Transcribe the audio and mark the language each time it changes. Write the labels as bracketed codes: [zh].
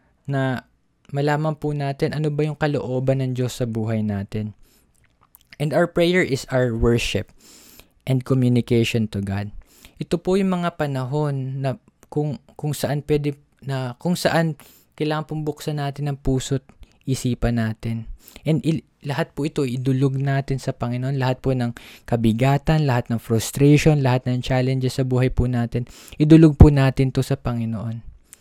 [tl] Na malaman po natin ano ba yung kalooban ng Diyos sa buhay natin. [en] And our prayer is our worship and communication to God. [tl] Ito po yung mga panahon na kung saan kailangan pong buksan natin ang puso't isipan natin. And lahat po ito idulog natin sa Panginoon. Lahat po ng kabigatan, lahat ng frustration, lahat ng challenges sa buhay po natin, idulog po natin to sa Panginoon.